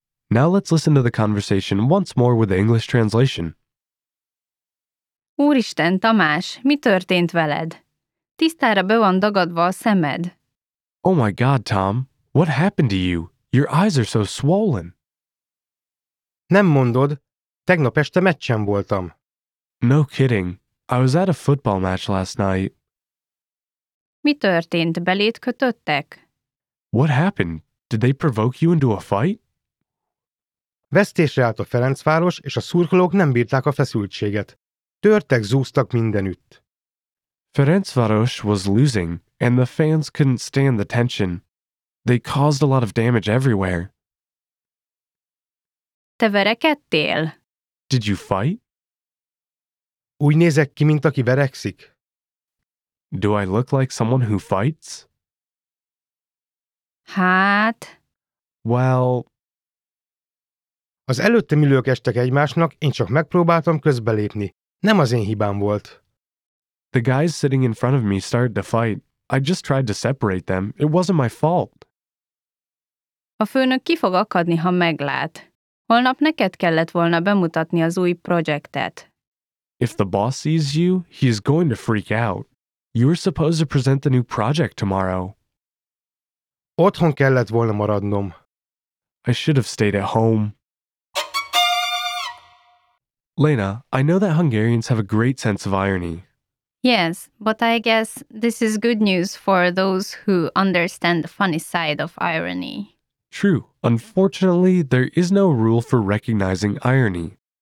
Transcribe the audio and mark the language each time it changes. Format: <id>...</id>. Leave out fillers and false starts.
<en>Now let's listen to the conversation once more with the English translation.</en> <hu>Úristen, Tamás, mi történt veled? Tisztára be van dagadva a szemed.</hu> <en>Oh my God, Tom, what happened to you? Your eyes are so swollen.</en> <hu>Nem mondod, tegnap este meccsen voltam.</hu> <en>No kidding, I was at a football match last night.</en> <hu>Mi történt, beléd kötöttek?</hu> <en>What happened? Did they provoke you into a fight?</en> <hu>Vesztésre állt a Ferencváros, és a szurkolók nem bírták a feszültséget. Törtek, zúztak mindenütt.</hu> <en>Ferencváros was losing, and the fans couldn't stand the tension. They caused a lot of damage everywhere.</en> <hu>Te verekedtél?</hu> <en>Did you fight?</en> <hu>Úgy nézek ki, mint aki verekszik.</hu> <en>Do I look like someone who fights?</en> <hu>Hát...</hu> <en>Well...</en> <hu>Az előttem ülők estek egymásnak, én csak megpróbáltam közbelépni. Nem az én hibám volt.</hu> <en>The guys sitting in front of me started to fight. I just tried to separate them. It wasn't my fault.</en> <hu>A főnök ki fog akadni, ha meglát. Holnap neked kellett volna bemutatni az új projektet.</hu> <en>If the boss sees you, he is going to freak out. You are supposed to present the new project tomorrow.</en> <hu>Otthon kellett volna maradnom.</hu> <en>I should have stayed at home. Lena, I know that Hungarians have a great sense of irony. Yes, but I guess this is good news for those who understand the funny side of irony. True. Unfortunately, there is no rule for recognizing irony.</en>